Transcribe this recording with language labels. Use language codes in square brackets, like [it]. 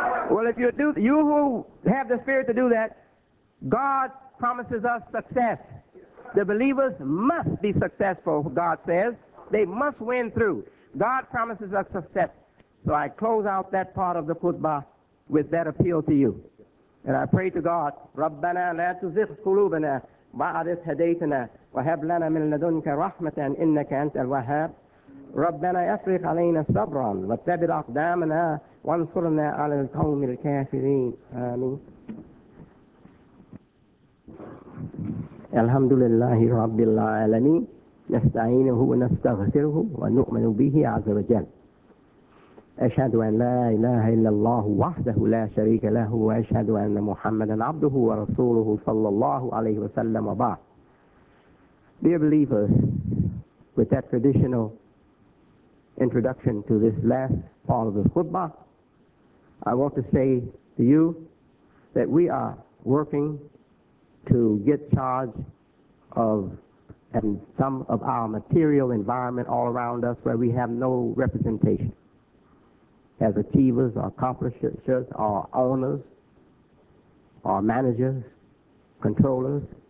[en] Well, if you do, you who have the spirit to do that, God promises us success. The believers must be successful, God says. They must win through. God promises us success. So I close out that part of the khutbah with that appeal to you. And I pray to God, [ar] رَبَّنَا لَا تُزِغْ قُلُوبَنَا بَعَدِتْ هَدَيْتَنَا وَهَبْ لَنَا مِنْ لَدُنْكَ رَحْمَةً إِنَّكَ أَنْتَ الْوَهَّابُ رَبَّنَا أَفْرِغْ عَلَيْنَا صَبْرًا وَثَبِّتْ أَقْدَامَنَا وَانْصُرْنَا عَلَى الْقَوْمِ الْكَافِرِينَ آمين. الحمد لله رب العالمين نستعينه ونستغفره ونؤمن به عز وجل أشهد أن لا إله إلا الله وحده لا شريك له وأشهد أن محمدا عبده ورسوله صلى الله عليه وسلم وبعد. [en] Dear believers, with that traditional introduction to this last part of the khutbah, I want to say to you that we are working to get charge of and some of our material environment all around us where we have no representation as achievers or accomplishers or owners or managers, controllers.